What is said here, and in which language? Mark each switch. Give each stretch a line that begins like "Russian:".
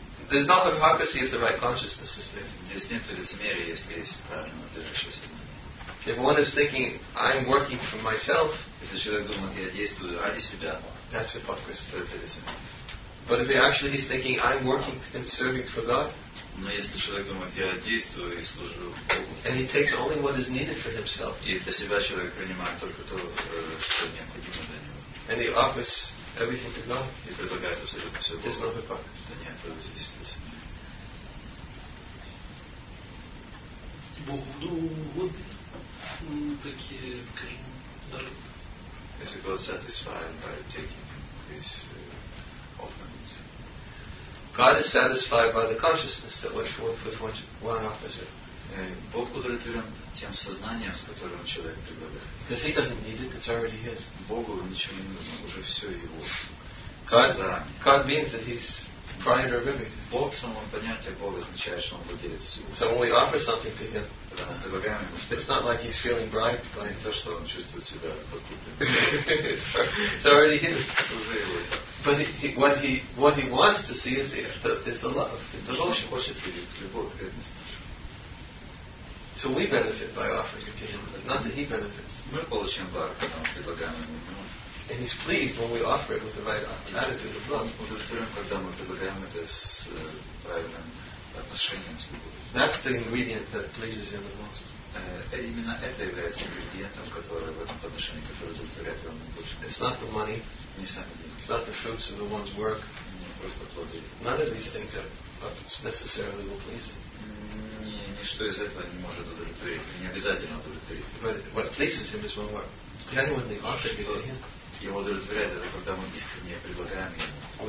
English: There's not hypocrisy if the right consciousness is there.
Russian: Здесь нет лицемерия, если есть правильно движущее сознание.
English: If one is thinking, I'm working for myself,
Russian: если человек думает, я действую ради себя,
English: that's hypocrisy.
Russian: Это лицемерие.
English: But if they actually he's thinking, I'm working and serving for God.
Russian: Но если человек думает, я действую и служу Богу.
English: And he takes only what is needed for himself.
Russian: И для себя человек принимает только то, что необходимо для него.
English: And he offers everything to God.
Russian: И предлагает все Богу.
English: There's no hypocrisy.
Russian: Да нет, это зависит от себя. Богу, ну вот такие, скажем, дары. Если
English: God satisfied by taking his offerings. God is satisfied by the consciousness that with which one offers it.
Russian: Бог удовлетворен тем сознанием, с которым человек предлагает.
English: Because he doesn't need it; it's already his.
Russian: Богу ничего не нужно, уже все его.
English: God means that he's prior to everything.
Russian: Бог само понятие Бога означает, что он владеет всем.
English: So when we offer something to him, it's not like he's feeling bribed by
Russian: то, что он чувствует себя подкупленным.
English: It's already his.
Russian: Уже его.
English: But what he wants to see is the love, the devotion.
Russian: Хочет видеть любовь, преданность.
English: So we benefit by offering it to him, not that he benefits.
Russian: Мы получаем благо, когда мы предлагаем ему.
English: And he's pleased when we offer it with the right attitude of love.
Russian: Удовлетворен, когда мы предлагаем это с правильным отношением к Богу.
English: That's the ingredient that pleases him the most.
Russian: Именно это является ингредиентом, который в этом отношении, который удовлетворяет его наибольше.
English: It's not the money.
Russian: Не сами деньги.
English: It's not the fruits of the one's work.
Russian: Не просто плоды.
English: None of these things necessarily will please him.
Russian: Не, ничто из этого не может удовлетворить. Не обязательно удовлетворить.
English: But what pleases him is when we're genuinely offering it to him.
Russian: Его удовлетворяет это, когда мы искренне предлагаем ему.